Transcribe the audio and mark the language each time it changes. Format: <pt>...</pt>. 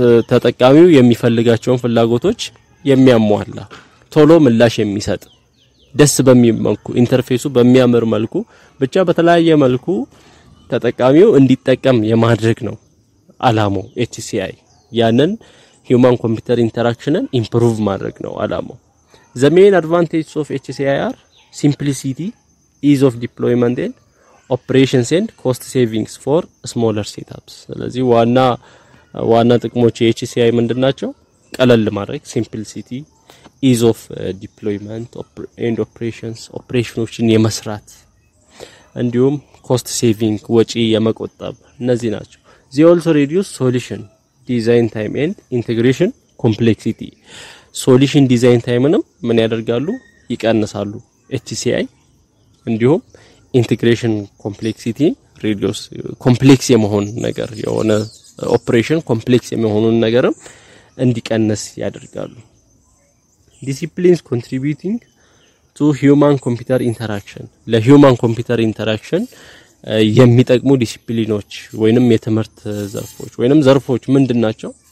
<am>ተጠቃሚው የሚፈልጋቸውን ፍላጎቶች የሚያሟላ ቶሎ ምላሽ የሚሰጥ ደስ በሚል መልኩ ኢንተርፌሱ በሚያምር መልኩ ብቻ በተለያየ መልኩ ተጠቃሚው እንዲጠቀም የማድረግ ነው አላማው። HCI ያንን ሂውማን ኮምፒውተር ኢንተራክሽንን ኢምፕሩቭ ማድረግ ነው አላማው።</am> <en>the main advantages of HCI are simplicity, ease of deployment and operations and cost savings for smaller setups.</en> <am>ስለዚህ ዋና ጥቅሞች የHCI ምንድናቸው? ቀለል ማድረግ</am> <en>simplicity, ease of deployment and operations operationsን የመስራት እንዲሁም cost saving</en> <am>ወጪ የመቆጠብ እነዚህ ናቸው።</am> <en>they also reduce solution design time and integration complexity.</en> <am>solution design timeንም ምን ያደርጋሉ? ይቀንሳሉ HCI እንዲሁም integration complexity reduce complex የመሆን ነገር የሆነ operation complex የመሆኑን ነገርም እንዲቀንስ ያደርጋሉ።</am> <en>disciplines contributing to human computer interaction</en> <am>ለhuman computer interaction የሚጠቅሙ ዲሲፕሊኖች ወይንም የትምህርት ዘርፎች ወይንም ዘርፎች ምንድናቸው?</am>